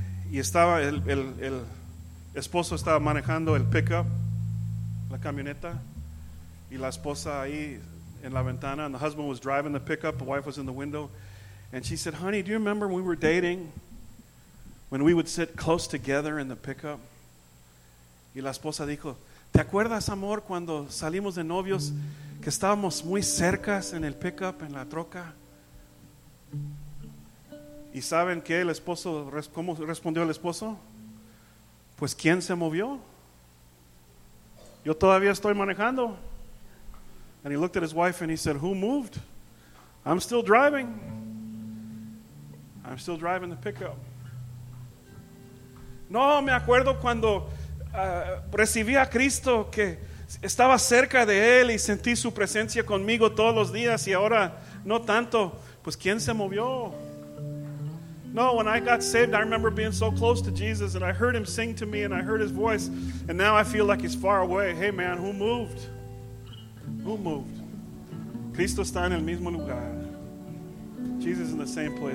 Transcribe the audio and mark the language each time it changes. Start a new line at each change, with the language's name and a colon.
Spanish: Y estaba el esposo estaba manejando el pickup, la camioneta, Y la esposa ahí en la ventana,
English: and the husband was driving the pickup, the wife was in the window, and she said, "Honey, do you remember when we were dating, when we would sit close together in the pickup?"
Spanish: Y la esposa dijo, "¿Te acuerdas, amor, cuando salimos de novios, que estábamos muy cercas en el pickup, en la troca?" ¿Y saben qué el esposo, cómo respondió el esposo? "Pues, ¿quién se movió? Yo todavía estoy manejando."
English: And he looked at his wife and he said, "Who moved? I'm still driving. I'm still driving the pickup."
Spanish: "No, me acuerdo cuando recibí a Cristo, que estaba cerca de Él y sentí su presencia conmigo todos los días, y ahora no tanto. Pues, ¿quién se movió?"
English: "No, when I got saved, I remember being so close to Jesus, and I heard Him sing to me, and I heard His voice, and now I feel like He's far away. Hey, man, who moved? Who moved?"
Spanish: Cristo está en el mismo lugar.
English: Jesus is in the same place.